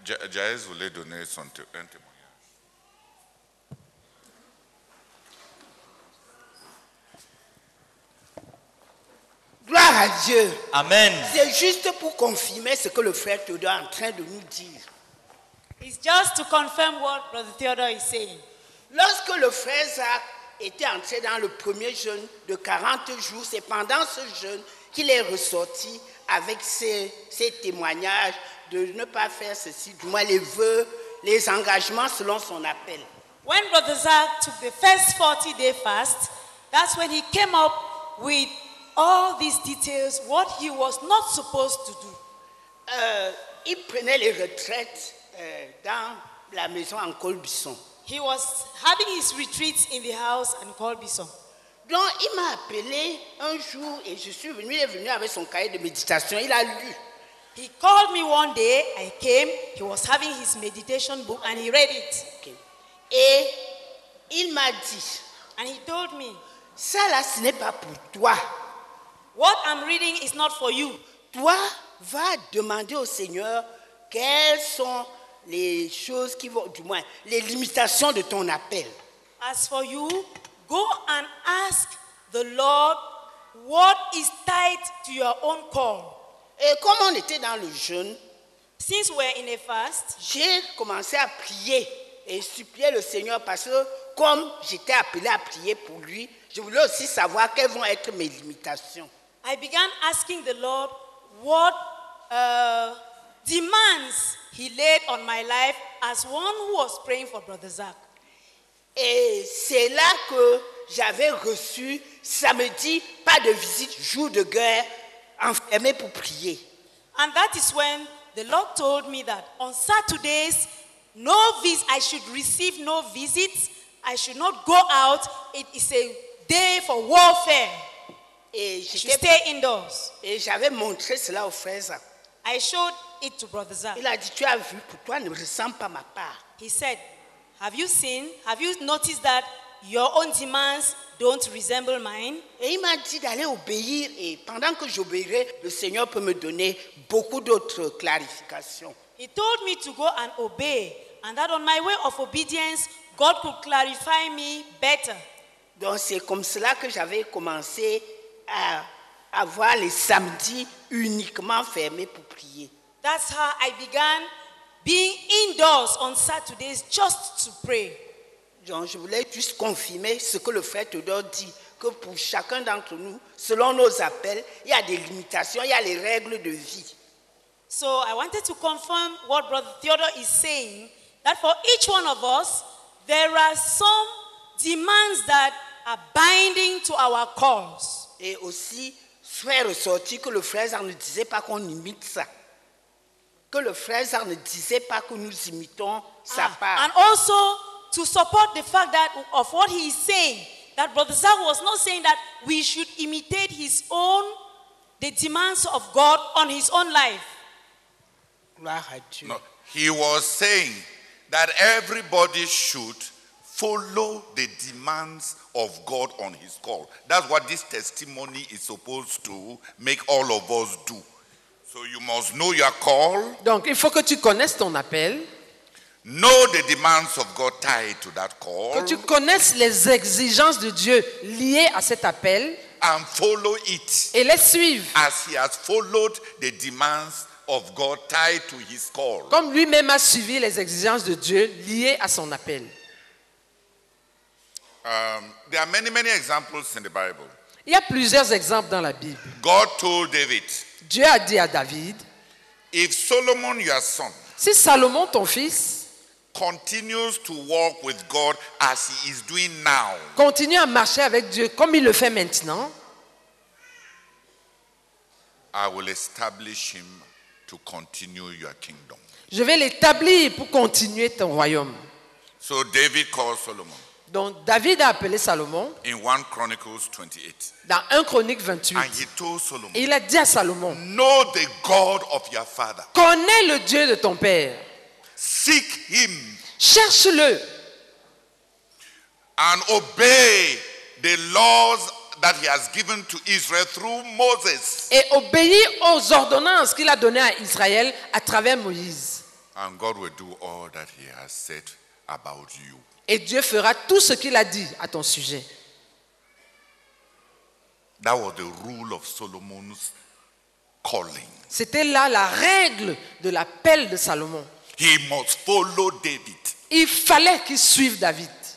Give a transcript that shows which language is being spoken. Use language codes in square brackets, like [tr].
[fr] Jaez voulait donner un témoignage. Gloire à Dieu. Amen. C'est juste pour confirmer ce que le frère Théodore est en train de nous dire. [en] It's just to confirm what Brother Theodore is saying. [fr] Lorsque le frère Zach était entré dans le premier jeûne de 40 jours. C'est pendant ce jeûne qu'il est ressorti avec ses témoignages de ne pas faire ceci, du moins les vœux, les engagements selon son appel. [en] When Brother Zach took the first 40-day fast, that's when he came up with all these details, what he was not supposed to do. [fr] Il prenait les retraites dans la maison en Colbisson. [en] He was having his retreats in the house in Colbisson. [fr] Donc, il m'a appelé un jour et je suis venu, il est venu avec son cahier de méditation, il a lu. [en] He called me one day, I came, he was having his meditation book and he read it. [fr] Okay. Et il m'a dit, [en] and he told me, [fr] ça là, ce n'est pas pour toi. [en] What I'm reading is not for you. [fr] Toi, va demander au Seigneur quelles sont les choses qui vont, du moins, les limitations de ton appel. [en] As for you, go and ask the Lord what is tied to your own call. [fr] Et comme on était dans le jeûne, [en] since we're in a fast, [fr] j'ai commencé à prier et supplier le Seigneur parce que comme j'étais appelé à prier pour lui, je voulais aussi savoir quelles vont être mes limitations. [en] I began asking the Lord what demands he laid on my life as one who was praying for Brother Zach. [fr] Et c'est là que j'avais reçu samedi, pas de visite, jour de guerre, enfermé pour prier. [en] And that is when the Lord told me that on Saturdays, I should receive no visits, I should not go out, it is a day for warfare. [fr] Et j'avais montré cela au frère Zach. [en] I showed it to Brother Zach. [fr] Il a dit, tu as vu, pourquoi ne ressens pas ma part? [en] He said, have you seen, have you noticed that your own demands don't resemble mine? [fr] Et il m'a dit d'aller obéir et pendant que j'obéirai, le Seigneur peut me donner beaucoup d'autres clarifications. [en] He told me to go and obey and that on my way of obedience, God could clarify me better. [fr] Donc c'est comme cela que j'avais commencé à avoir les samedis uniquement fermés pour prier. [en] That's how I began being indoors on Saturdays just to pray. [fr] Donc, je voulais juste confirmer ce que le frère Théodore dit, que pour chacun d'entre nous, selon nos appels, il y a des limitations, il y a les règles de vie. [en] So I wanted to confirm what Brother Theodore is saying, that for each one of us, there are some demands that are binding to our calls. [fr] Et aussi, soit ressorti que le frère Zan ne disait pas qu'on imite ça. Que le frère Zan ne disait pas que nous imitons sa part. [en] And also, to support the fact that of what he is saying, that Brother Zach was not saying that we should imitate his own, the demands of God on his own life. No, he was saying that everybody should follow the demands of God on his call. That's what this testimony is supposed to make all of us do. So you must know your call. [fr] Donc, il faut que tu connaisses ton appel. [en] Know the demands of God tied to that call. [fr] Que tu connaisses les exigences de Dieu liées à cet appel. [en] And follow it. [fr] Et les suivre. [en] As he has followed the demands of God tied to his call. [fr] Comme lui-même a suivi les exigences de Dieu liées à son appel. [en] There are many examples in the Bible. [fr] Il y a plusieurs exemples dans la Bible. [en] God told David. [fr] Dieu a dit à David. [en] If Solomon your son. [fr] Si Salomon ton fils. [en] Continues to walk with God as he is doing now. [fr] Continue à marcher avec Dieu comme il le fait maintenant. [en] I will establish him to continue your kingdom. [fr] Je vais l'établir pour continuer ton royaume. [en] So David called Solomon. [fr] Donc David a appelé Salomon. [en] In 1 Chronicles 28. [fr] Dans 1 Chronique 28. [en] And he told Solomon. [fr] Et il a dit à Salomon. [en] Know the God of your father. [fr] Connais le Dieu de ton père. [en] Seek him. [fr] Cherche-le. [en] And obey the laws that he has given to Israel through Moses. [fr] Et obéis aux ordonnances qu'il a données à Israël à travers Moïse. [en] And God will do all that he has said about you. [fr] Et Dieu fera tout ce qu'il a dit à ton sujet. [en] That was the rule of Solomon's calling. [fr] C'était là la règle de l'appel de Salomon. [en] He must follow David. [fr] Il fallait qu'il suive David.